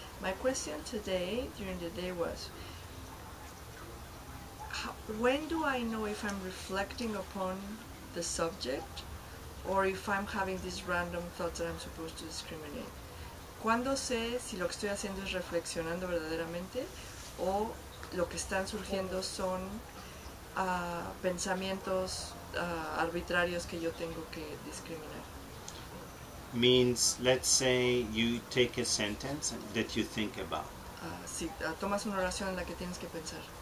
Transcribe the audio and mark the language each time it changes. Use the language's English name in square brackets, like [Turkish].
[English] My question today during the day was, when do I know if I'm reflecting upon the subject? Or if I'm having these random thoughts that I'm supposed to discriminate. [Spanish] ¿Cuándo sé si lo que estoy haciendo es reflexionando verdaderamente o lo que están surgiendo son pensamientos arbitrarios que yo tengo que discriminar? [English] Means, let's say you take a sentence that you think about. [Spanish] Tomas una oración en la que tienes que pensar.